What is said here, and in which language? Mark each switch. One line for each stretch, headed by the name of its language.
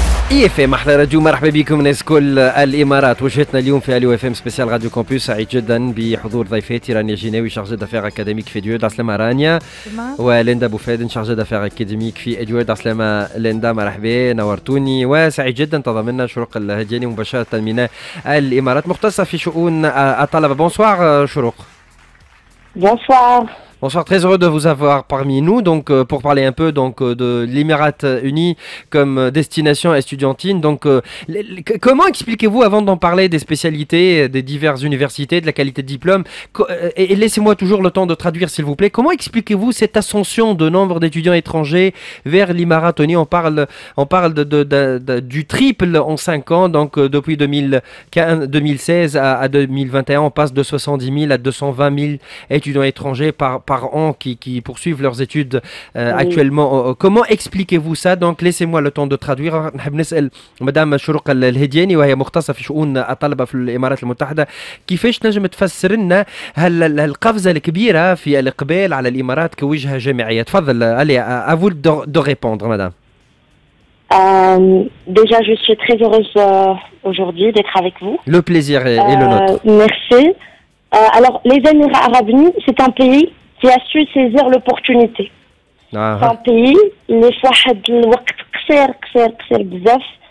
Arabic: اي اف ام احلى راديو، مرحبا بكم ناس كل الامارات. وجهتنا اليوم في اليو اف ام سبيسيال راديو كومبيوس، سعيد جدا بحضور ضيفاتي رانيا جناوي شارجي دافير اكاديميك في ديود، عسلامه رانيا. وليندا بوفادن شارجي دافير اكاديميك في ديود، عسلامه ليندا، مرحبا نورتوني. وسعيد جدا تضمننا شروق الهدياني مباشره من الامارات مختصه في شؤون الطلبه. بونسوار شروق. بونسوار.
French: Bonsoir, très heureux de vous avoir parmi nous. Donc, pour parler un peu donc de l'Émirats Unis comme destination estudiantine. Donc, comment expliquez-vous, avant d'en parler, des spécialités des diverses universités, de la qualité de diplôme, et laissez-moi toujours le temps de traduire, s'il vous plaît. Comment expliquez-vous cette ascension de nombre d'étudiants étrangers vers l'Émirats Unis? On parle du triple en 5 ans. Donc, depuis 2016 à 2021, on passe de 70 000 à 220 000 étudiants étrangers par an qui poursuivent leurs études oui. actuellement. Comment expliquez-vous ça? Donc laissez-moi le temps de traduire.
Arabic: نحب نسأل مدام شروق الهدياني وهي مختصة في شؤون الطلبة في الإمارات المتحدة، كيفاش نجم تفسر لنا هالقفزة الكبيرة في الإقبال على الإمارات كوجهة جامعية؟ تفضل علي
French: à vous de répondre madame. Déjà je suis très heureuse aujourd'hui d'être avec vous. Le plaisir est le nôtre. Merci. Alors, les Émirats Arabes Unis, c'est un pays qui a su saisir l'opportunité. C'est un pays les fahad l'
Arabic: وقت قصير قصير قصير بزاف.